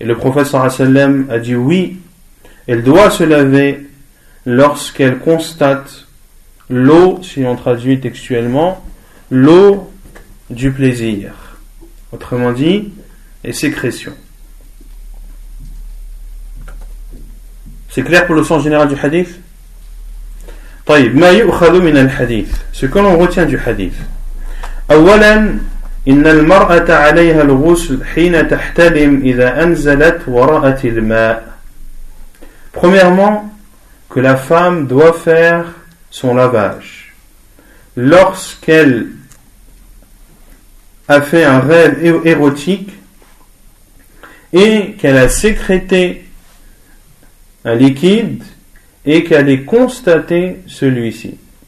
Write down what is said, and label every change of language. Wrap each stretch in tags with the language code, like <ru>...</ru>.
<fr>Et le prophète sallallahu alayhi wa sallam a dit oui, elle doit se laver lorsqu'elle constate l'eau, si on traduit textuellement, l'eau du plaisir. Autrement dit, et sécrétion. C'est clair pour le sens général du hadith ?</fr> <ar>طيب ما يؤخذ من الحديث</ar> <fr>ce que l'on retient du hadith.</fr> <ar>أولا إن المرأة عليها الغسل حين تحتلم إذا أنزلت ورأت الماء.</ar> <fr>Premièrement, que la femme doit faire son lavage lorsqu'elle a fait un rêve érotique et qu'elle a sécrété un liquide et qu'elle ait constaté celui-ci.</fr>